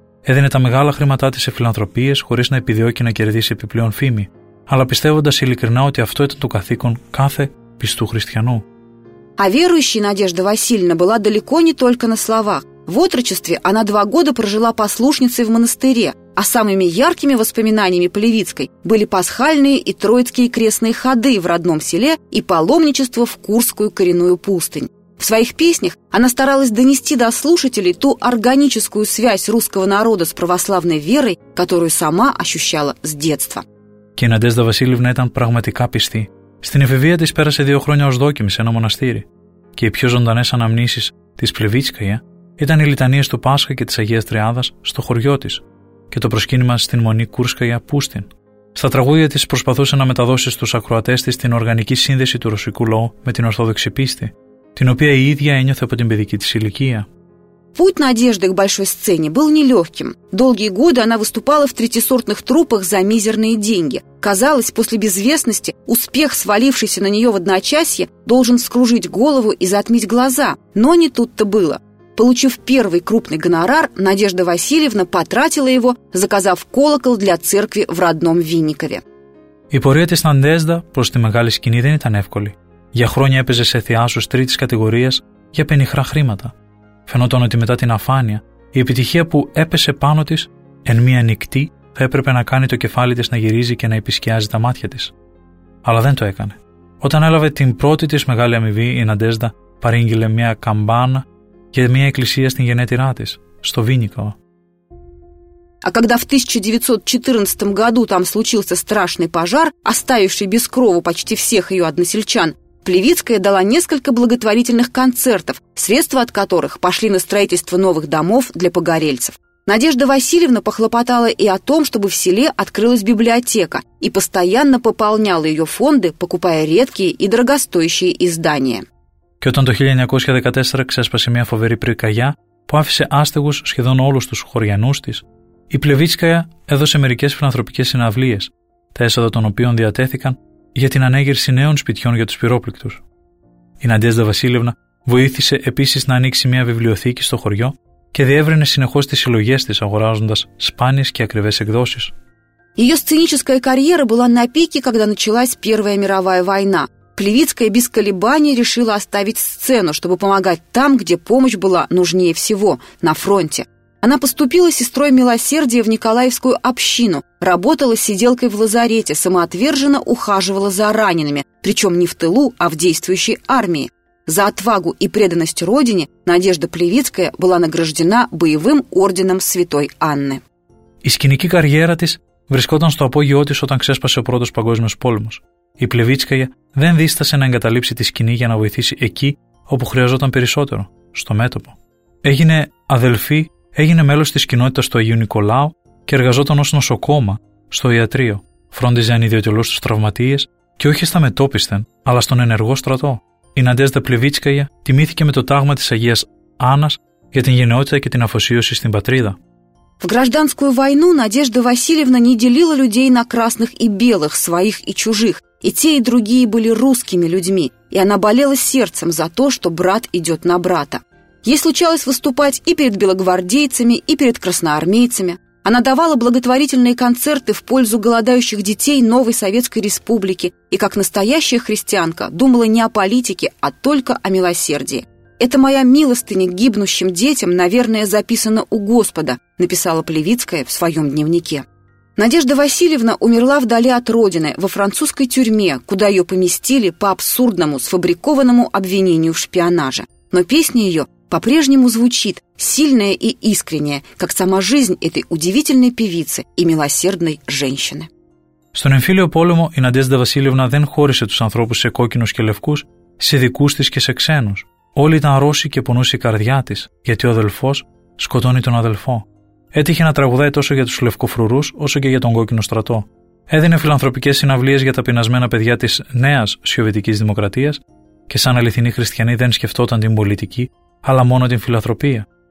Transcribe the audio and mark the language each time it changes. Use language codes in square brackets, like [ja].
[el] Έδινε τα μεγάλα χρήματά της σε φιλανθρωπίες χωρίς να επιδιώκει να κερδίσει επιπλέον φήμη, αλλά πιστεύοντας ειλικρινά ότι αυτό ήταν το καθήκον κάθε πιστού χριστιανού. [ru] А верующей Надежда Васильевна была далеко не только на словах. В отрочестве она 2 года прожила послушницей в монастыре, а самыми яркими воспоминаниями Плевицкой были пасхальные и троицкие крестные ходы в родном селе и паломничество в Курскую коренную пустынь. В своих песнях она старалась донести до слушателей ту органическую связь русского народа с православной верой, которую сама ощущала с детства. [el] Και Надежда Васильевна ήταν πραγματικά πιστή. Στην εφηβεία της πέρασε 2 χρόνια ως δόκιμη σε ένα μοναστήρι. Και οι πιο ζωντανές αναμνήσεις της Πλεβίτσκαια ήταν οι λιτανίες του Πάσχα και της Αγίας Τριάδας στο χωριό της και το προσκύνημα στην Μονή Κούρσκαια Πούστιν. Στα τραγούδια της προσπαθούσε να μεταδώσει στους ακροατές της την οργανική σύνδεση του ρωσικού λαού με την Ορθόδοξη πίστη, την οποία η ίδια ένιωθε από την παιδική της ηλικία. [ru] Путь надежды к большой сцене был нелегким. Долгие годы она выступала в третьесортных труппах за мизерные деньги. Казалось, после безвестности успех, свалившийся на нее в одночасье, должен вскружить голову и затмить глаза. Но не тут-то было. Получив первый крупный гонорар, Надежда Васильевна потратила его, заказав колокол для церкви в родном Винникове. [el] Η πορεία της Надежда προς τη μεγάλη σκηνή δεν ήταν εύκολη. Για χρόνια έπαιζε σε θεάσους τρίτης κατηγορίας για πενιχρά χρήματα. Φαινόταν ότι μετά την αφάνεια, η επιτυχία που έπεσε πάνω της εν μία νυχτή θα έπρεπε να κάνει το κεφάλι της να γυρίζει και να επισκιάζει τα μάτια της. Αλλά δεν το έκανε. Όταν έλαβε την πρώτη της μεγάλη αμοιβή, η Ναντέζδα παρήγγειλε μία καμπάνα για μία εκκλησία στην γενέτειρά της, στο Βίνικο. [ru] А когда в 1914 году там случился страшный пожар, оставивший без крова почти всех ее односельчан, Плевицкая дала несколько благотворительных концертов, средства от которых пошли на строительство новых домов для погорельцев. Надежда Васильевна похлопотала и о том, чтобы в селе открылась библиотека, и постоянно пополняла ее фонды, покупая редкие и дорогостоящие издания. [el] Και όταν το 1914 ξέσπασε μια φοβερή πυρκαγιά, που άφησε άστεγους σχεδόν όλους τους χωριανούς της, η Πλεβίτσκαια έδωσε μερικές φιλανθρωπικές συναυλίες, τα έσοδα των οποίων διατέθηκαν για την ανέγερση νέων σπιτιών για τους πυρόπληκτους. Η Ναντέζδα Βασίλευνα βοήθησε επίσης να ανοίξει μια βιβλιοθήκη στο χωριό και διεύρυνε συνεχώς τις συλλογές της, αγοράζοντας σπάνιες και ακριβές εκδόσεις. Η [ru] σценическая карьера была на пике, когда началась Первая мировая война. Плевицкая без колебаний решила оставить сцену, чтобы помогать там, где помощь была нужнее всего – на фронте. Она поступила сестрой милосердия в Николаевскую общину, работала сиделкой в лазарете, самоотверженно ухаживала за ранеными, причем не в тылу, а в действующей армии. За отвагу и преданность родине Надежда Плевицкая была награждена боевым орденом Святой Анны. [el] Η σκηνική καριέρα της βρισκόταν στο απόγειό της όταν ξέσπασε ο πρώτος παγκόσμιος πόλεμος. Η Πλεβίτσκαια δεν δίστασε να εγκαταλείψει τη σκηνή για να βοηθήσει εκεί όπου χρειαζόταν περισσότερο, στο μέτωπο. Έγινε αδελφή, έγινε μέλος της κοινότητας του Αγίου Νικολάου και εργαζόταν ως νοσοκόμα στο ιατρείο. Φρόντιζε ανιδιωτελώς τους τραυματίες και όχι στα μετόπισθεν, αλλά στον ενεργό στρατό. Η Ναντέζδα Πλεβίτσκαια τιμήθηκε με το τάγμα της Αγίας Άννας για την γενναιότητα και την αφοσίωση στην πατρίδα. [ru] В гражданскую войну Надежда Васильевна не делила людей на красных и белых, своих и чужих. И те, и другие были русскими людьми. И она болела сердцем за то, что брат идет на брата. Ей случалось выступать и перед белогвардейцами, и перед красноармейцами. Она давала благотворительные концерты в пользу голодающих детей Новой Советской Республики. И как настоящая христианка думала не о политике, а только о милосердии. «Это моя милостыня к гибнущим детям, наверное, записана у Господа», написала Плевицкая в своем дневнике. Надежда Васильевна умерла вдали от родины, во французской тюрьме, куда ее поместили по абсурдному, сфабрикованному обвинению в шпионаже. Но песня ее по-прежнему звучит, сильная и искренняя, как сама жизнь этой удивительной певицы и милосердной женщины. [el] Στον εμφύλιο πόλεμο η Надежда Васильевна δεν χώρισε τους ανθρώπους σε κόκκινους και λευκούς, σε δικούς της και σε ξένους. Όλοι ήταν Ρώσοι και πονούσε η καρδιά της, γιατί ο αδελφός σκοτώνει τον αδελφό. Έτυχε να τραγουδάει τόσο για τους λευκοφρουρούς όσο και για τον κόκκινο στρατό. Έδινε φιλανθρωπικές συναυλίες για τα πεινασμένα παιδιά της νέας Σοβιετικής Δημοκρατίας και σαν αληθινή χριστιανή δεν σκεφτόταν την πολιτική, αλλά μόνο την φιλανθρωπία.